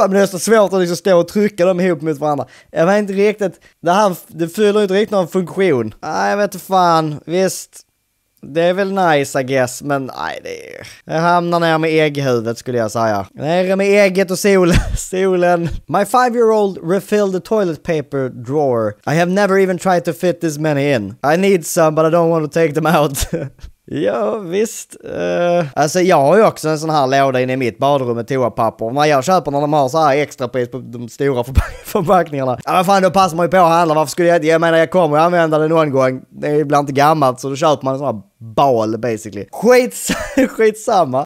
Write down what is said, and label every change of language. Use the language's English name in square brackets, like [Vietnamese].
[Swedish] Men det är så svårt att liksom stå och trycka dem ihop mot varandra. Jag vet inte riktigt. Det fyller inte riktigt någon funktion. Nej, vet du fan. Visst. Det är väl nice, [English] I guess. [Swedish] Men nej, det är... Jag hamnar ner med ägghuvudet skulle jag säga. Nere med ägget och solen. Solen. [English] My 5-year-old refilled the toilet paper drawer. I have never even tried to fit this many in. I need some, but I don't want to take them out. [Swedish] Ja, visst. Alltså, jag har ju också en sån här låda inne i mitt badrum med toapapper. När jag köper när de har så här extrapris på de stora förpackningarna. Ja, men fan, då passar man ju på att handla. Varför skulle jag menar, jag kommer att använda det någon gång. Det är ibland inte gammalt, så då köper man en sån här ball, basically. Skitsamma.